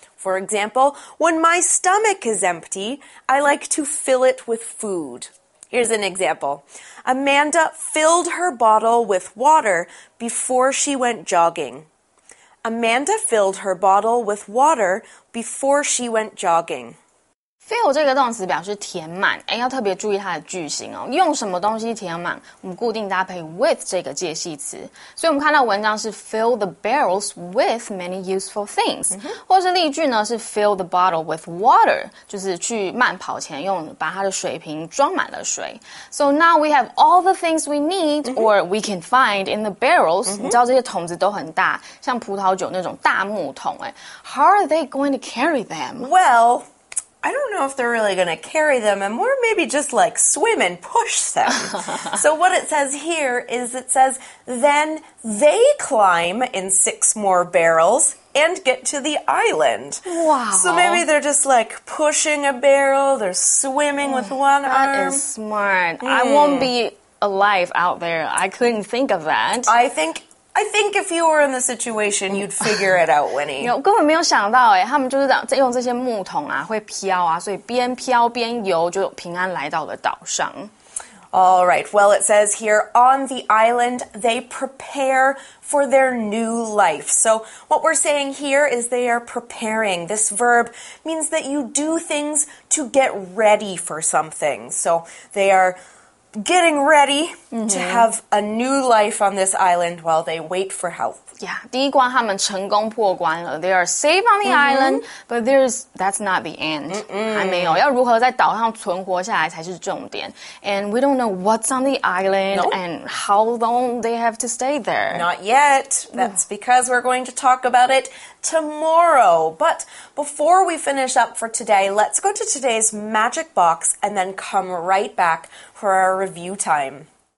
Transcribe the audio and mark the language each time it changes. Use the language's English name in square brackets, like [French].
[English] For example, when my stomach is empty, I like to fill it with food. Here's an example. Amanda filled her bottle with water before she went jogging. Amanda filled her bottle with water before she went jogging. [Chinese] Fill 这个动词表示填满，哎，要特别注意它的句型哦。用什么东西填满？我们固定搭配 with 这个介系词，所以我们看到文章是 [English] fill the barrels with many useful things，、 mm-hmm. [Chinese] 或是例句呢是 [English] fill the bottle with water， [Chinese] 就是去慢跑前用把它的水瓶装满了水。 [English] So now we have all the things we need、mm-hmm. or we can find in the barrels、 mm-hmm.。 [Chinese] 你知道这些桶子都很大，像葡萄酒那种大木桶，哎 ， [English] How are they going to carry them? Well. I don't know if they're really going to carry them, and more maybe just like swim and push them. So what it says here is it says, then they climb in six more barrels and get to the island. Wow. So maybe they're just like pushing a barrel, they're swimming with one that arm. That is smart.、Mm. I won't be alive out there. I couldn't think of that. I think if you were in the situation, you'd figure it out, Winnie. [Chinese] 我根本没有想到耶，他们就是在用这些木桶啊，会飘啊，所以边飘边游就平安来到了岛上。 [English] All right. Well, it says here, on the island, they prepare for their new life. So what we're saying here is they are preparing. This verb means that you do things to get ready for something. So they are getting ready to have a new life on this island while they wait for help. [Chinese] Yeah, 第一关他们成功破关了。 [English] They are safe on the island, but that's not the end. [Chinese] 还没有，要如何在岛上存活下来才是重点。 [English] And we don't know what's on the island and how long they have to stay there. Not yet. That's because we're going to talk about it tomorrow. But before we finish up for today, let's go to today's magic box and then come right back for our review time.